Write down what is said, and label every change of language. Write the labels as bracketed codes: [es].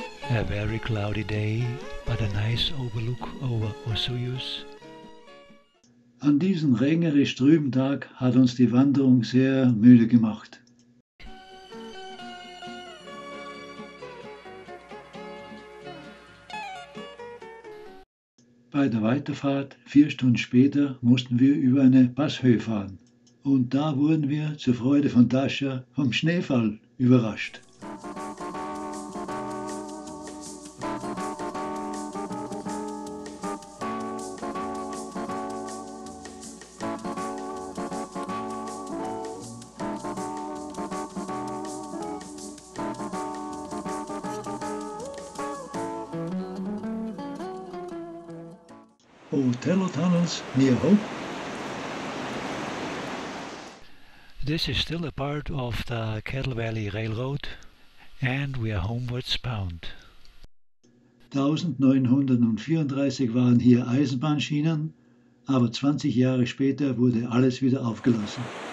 [en] A very cloudy day, but a nice overlook over Osoyoos. [de] An diesem regnerisch trüben Tag hat uns die Wanderung sehr müde gemacht. Bei der Weiterfahrt, 4 Stunden später, mussten wir über eine Passhöhe fahren. Und da wurden wir, zur Freude von Tascha, vom Schneefall überrascht. [en] Othello Tunnels near Hope. This is still a part of the Cattle Valley Railroad, and we are homewards bound. [de] 1934 waren hier Eisenbahnschienen, aber 20 Jahre später wurde alles wieder aufgelassen.